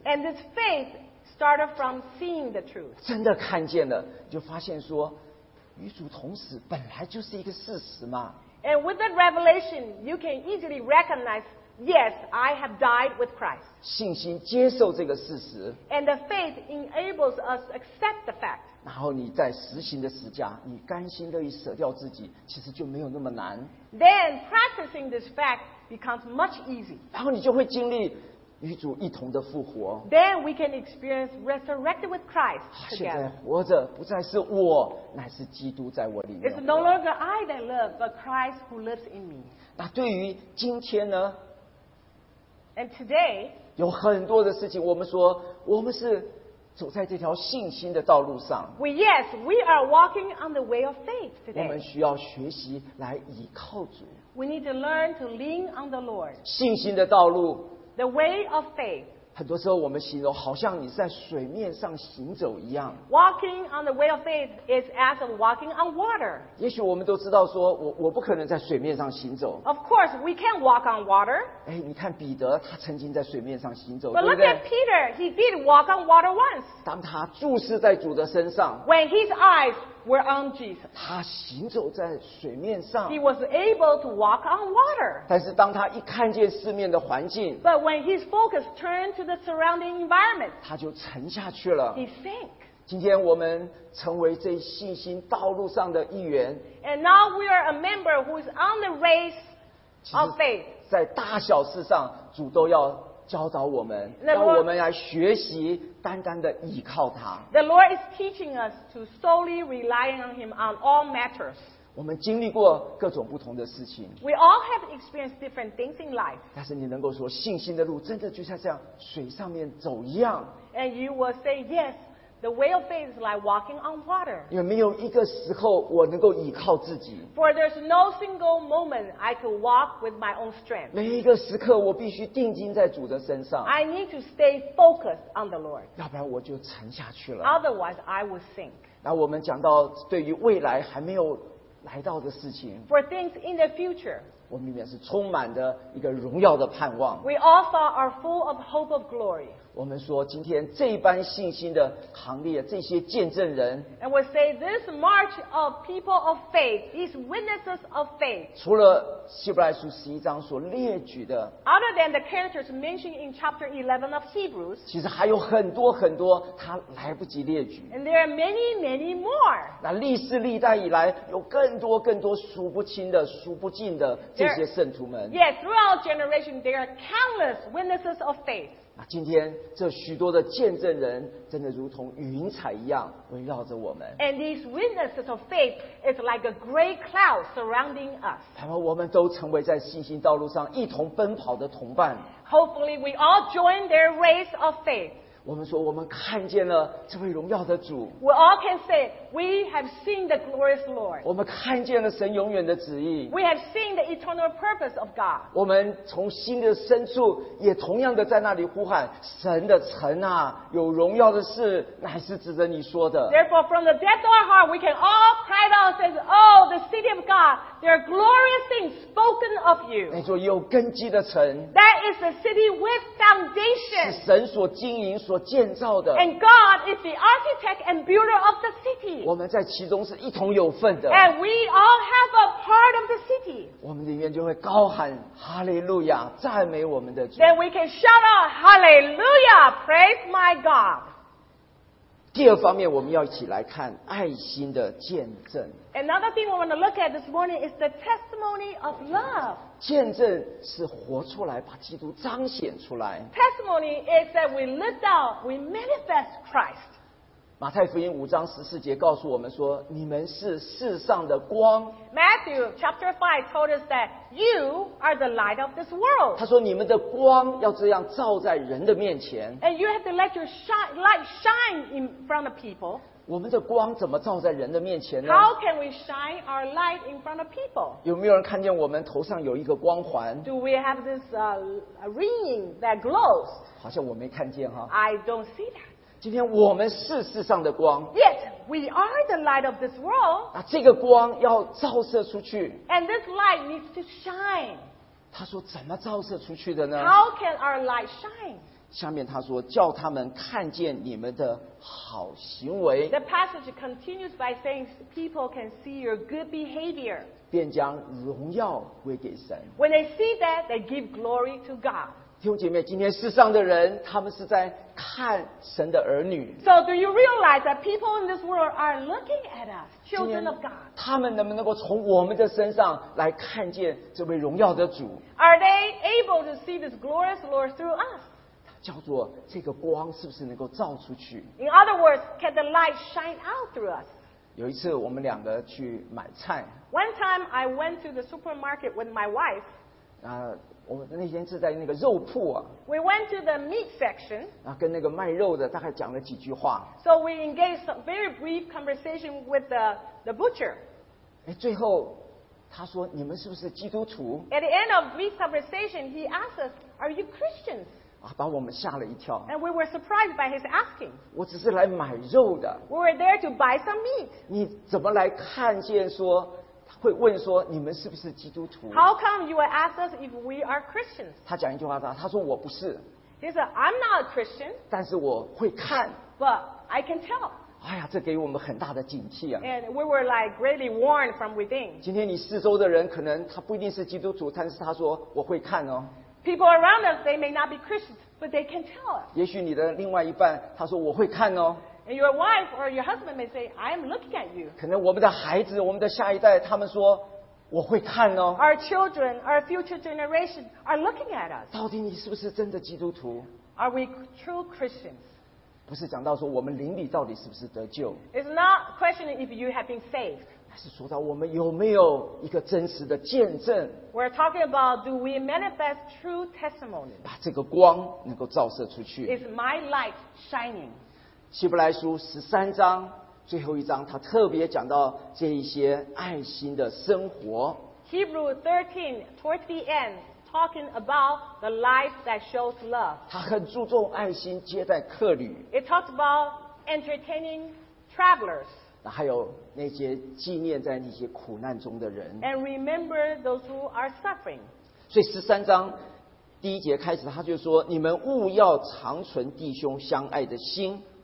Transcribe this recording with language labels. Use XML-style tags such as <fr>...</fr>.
<en>And this faith. Started from seeing the truth.</en> <zh>真的看见了，就发现说，与主同死本来就是一个事实嘛。</zh> <en>And with that revelation, you can easily recognize, yes, I have died with Christ.</en> <zh>信心接受这个事实。</zh> <en>And the faith enables us to accept the fact.</en> <zh>然后你在实行的十架，你甘心乐意舍掉自己，其实就没有那么难。</zh> <en>Then practicing this fact becomes much easier.</en> <zh>然后你就会经历。与主一同的复活。</zh> <en>Then we can experience resurrected with Christ together.</en> <zh>现在活着不再是我，乃是基督在我里面。</zh> <en>It's no longer I that live, but Christ who lives in me.</en> <zh>那对于今天呢？</zh> <en>And today,</en> <zh>有很多的事情，我们说我们是走在这条信心的道路上。</zh> <en>We, yes, we are walking on the way of faith today.</en> <zh>我们需要学习来倚靠主。</zh> <en>We need to learn to lean on the Lord.</en> <zh>信心的道路。</zh> <en>The way of faith.</en> <zh>很多时候我们形容好像你在水面上行走一样。</zh> <en>Walking on the way of faith is as of walking on water.</en> <zh>也许我们都知道说我不可能在水面上行走。</zh> <en>Of course, we can't walk on water.</en> <zh>哎，你看彼得，他曾经在水面上行走。</zh> <en>But look at Peter, he did walk on water once.</en> <zh>当他注视在主的身上。</zh> <en>When his eyes were on Jesus.</en> <zh>他行走在水面上。</zh> <en>He was able to walk on water.</en> <zh>但是当他一看见四面的环境。</zh> <en>But when his focus turned to the surrounding environment.</en> <zh>他就沉下去了。</zh> <en>He sank.</en> <zh>今天我们成为这信心道路上的一员。</zh> <en>And now we are a member who is on the race of faith.</en> <zh>在大小事上主都要教导我们，让我们来学习单单的倚靠他。</zh> <en>The Lord is teaching us to solely rely on Him on all matters.</en> <zh>我们经历过各种不同的事情。</zh> <en>We all have experienced different things in life.</en> <zh>但是你能够说信心的路真的就像这样水上面走一样。</zh> <en>And you will say yes, the way of faith is like walking on water.</en> <zh>因为没有一个时候我能够倚靠自己。</zh> <en>For there's no single moment I can walk with my own strength.</en> <zh>每一个时刻我必须定睛在主的身上。</zh> <en>I need to stay focused on the Lord.</en> <zh>要不然我就沉下去了。</zh> <en>Otherwise, I will sink.</en> <zh>那我们讲到对于未来还没有来到的事情。</zh> <en>For things in the future.</en> <zh>我们里面是充满的一个荣耀的盼望。</zh> <en>We also are full of hope of glory.</en> <zh>我们说今天这般信心的行列，这些见证人。</zh> <en>And we say this march of people of faith, these witnesses of faith.</en> <zh>除了希伯来书十一章所列举的。</zh> <en>Other than the characters mentioned in chapter 11 of Hebrews.</en> <zh>其实还有很多很多他来不及列举。</zh> <en>And there are many, many more.</en> <zh>那历世历代以来有更多更多数不清的数不尽的这些圣徒们。</zh> <en>Yes, throughout generation, there are countless witnesses of faith.</en> <zh>那今天这许多的见证人，真的如同云彩一样围绕着我们。</zh> <en>And these witnesses of faith is like a great cloud surrounding us.</en> <zh>盼望我们都成为在信心道路上一同奔跑的同伴。</zh> <en>Hopefully, we all join their race of faith.</en> <zh>我们说，我们看见了这位荣耀的主。</zh> <en>We all can say we have seen the glorious Lord.</en> <zh>我们看见了神永远的旨意。</zh> <en>We have seen the eternal purpose of God.</en> <zh>我们从心的深处也同样的在那里呼喊，神的城啊，有荣耀的事乃是指着你说的。</zh> <en>Therefore, from the depth of our heart, we can all cry out, says, "Oh, the city of God, there are glorious things spoken of you."</en> <zh>那座有根基的城。</zh> <en>That is the city with foundation.</en> <zh>是神所经营所建造的。</zh> <en>And God is the architect and builder of the city.</en> <zh>我们在其中是一同有份的。</zh> <en>And we all have a part of the city.</en> <zh>我们里面就会高喊哈利路亚，赞美我们的主。</zh> <en>Then we can shout out, Hallelujah, praise my God.</en> <zh>第二方面我们要一起来看爱心的见证。</zh> <en>Another thing we want to look at this morning is the testimony of love.</en> <zh>见证是活出来，把基督彰显出来。</zh> <en>Testimony is that we lived out, we manifest Christ.</en> <zh>马太福音五章十四节告诉我们说，你们是世上的光。</zh> <en>Matthew chapter 5 told us that you are the light of this world.</en> <zh>他说你们的光要这样照在人的面前。</zh> <en>And you have to let your shine, light shine in front of people.</en> <zh>我们的光怎么照在人的面前呢？</zh> <en>How can we shine our light in front of people?</en> <zh>有没有人看见我们头上有一个光环？</zh> <en>Do we have this ring that glows?</en> <zh>好像我没看见哈。</zh> <en>I don't see that.</en> <zh>今天我们是世上的光。</zh> <en>Yet, we are the light of this world.</en> <zh>那这个光要照射出去。</zh> <en>And this light needs to shine.</en> <zh>他说怎么照射出去的呢？</zh> <en>How can our light shine?</en> <zh>下面他说叫他们看见你们的好行为。</zh> <en>The passage continues by saying people can see your good behavior.</en> <zh>便将荣耀归给神。</zh> <en>When they see that, they give glory to God.</en> <zh>弟兄姐妹，今天世上的人他们是在看神的儿女。</zh> <en>So do you realize that people in this world are looking at us, children of God?</en> <zh>他们能不能够从我们的身上来看见这位荣耀的主？</zh> <en>Are they able to see this glorious Lord through us?</en> <zh>叫做这个光是不是能够照出去？</zh> <en>In other words, can the light shine out through us?</en> <zh>有一次我们两个去买菜。</zh> <en>One time I went to the supermarket with my wife.</en> <zh>我们那天是在那个肉铺啊。</zh> <en>We went to the meat section.</en> <zh>跟那个卖肉的大概讲了几句话。</zh> <en>So we engaged a very brief conversation with the butcher.</en> <zh>最后他说你们是不是基督徒？</zh> <en>At the end of meat conversation, he asked us, are you Christians?</en> <zh>把我们吓了一跳。</zh> <en>And we were surprised by his asking.</en> <zh>我只是来买肉的。</zh> <en>We were there to buy some meat.</en> <zh>你怎么来看见说，会问说你们是不是基督徒？</zh> <en>How come you will ask us if we are Christians?</en> <zh>他讲一句话，他说我不是。</zh> <en>He said, I'm not a Christian.</en> <zh>但是我会看。</zh> <en>But I can tell.</en> <zh>哎呀，这给我们很大的警惕啊。</zh> <en>And we were like greatly warned from within.</en> <zh>今天你四周的人可能他不一定是基督徒，但是他说我会看哦。</zh> <en>People around us, they may not be Christians, but they can tell us.</en> <zh>也许你的另外一半，他说我会看哦。</zh> <en>And your wife or your husband may say, I am looking at you.</en> <zh>可能我们的孩子，我们的下一代，他们说我会看哦。</zh> <en>Our children, our future generation are looking at us.</en> <zh>到底你是不是真的基督徒？</zh> <en>Are we true Christians?</en> <zh>不是讲到说我们灵里到底是不是得救。</zh> <en>It's not questioning if you have been saved.</en> <zh>是说到我们有没有一个真实的见证。</zh> <en>We're talking about do we manifest true testimony?</en> <zh>把这个光能够照射出去。</zh> <en>Is my light shining?</en> <zh>希伯来书十三章最后一章他特别讲到这一些爱心的生活。</zh> <en>Hebrews 13 towards the end talking about the life that shows love.</en> <zh>他很注重爱心接待客旅。</zh> <en>It talks about entertaining travelers.</en> <zh>还有那些纪念在那些苦难中的人。</zh> <en>And remember those who are suffering.</en> <zh>所以十三章第一节开始他就说你们务要长存弟兄相爱的心。</zh>